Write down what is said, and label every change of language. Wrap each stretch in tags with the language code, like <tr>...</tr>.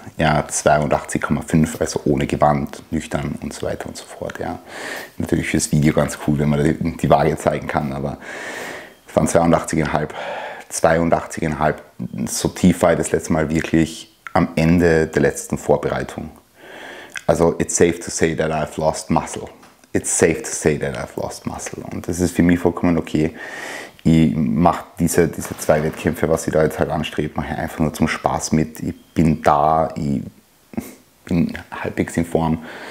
<de>Ja, 82,5, also ohne Gewand, nüchtern und so weiter und so fort, ja. Natürlich fürs Video ganz cool, wenn man die Waage zeigen kann, aber von 82,5 82,5. So tief war ich das letzte Mal wirklich am Ende der letzten Vorbereitung.</de> <en>Also it's safe to say that I've lost muscle. It's safe to say that I've lost muscle.</en> <de>Und das ist für mich vollkommen okay. Ich mache diese zwei Wettkämpfe, was ich da jetzt halt anstrebe, mache ich einfach nur zum Spaß mit. Ich bin da, ich bin halbwegs in Form.</de>